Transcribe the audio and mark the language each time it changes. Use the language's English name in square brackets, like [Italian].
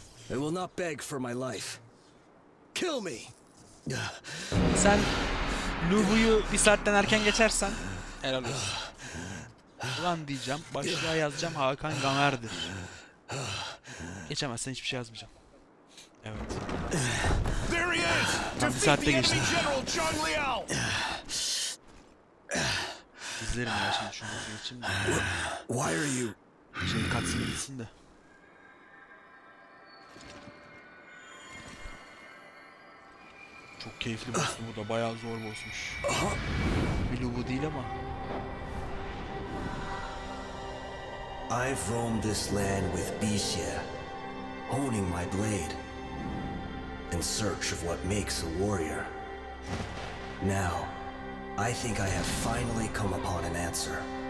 [English] I will not beg for my life. Kill me. [Turkish] Sen Lugu'yu bir saatten erken geçersen helal olsun. Ulan diyeceğim, başlığa yazacağım Hakan Gamer'dir. Geçemezsen hiçbir şey yazmayacağım. Evet. [English] There he is. [Turkish] Tam bir saatte geçti. İzlerim ya şimdi şunu geçeyim de. [English] Why are you? [Turkish] Şimdi katsın gitsin de. Çok keyifli boss'u bu da, bayağı zor boss'muş. Bir Lugu değil ama. [English] I've roamed this land with Bisya, honing my blade, in search of what makes a warrior. Now, I think I have finally come upon an answer.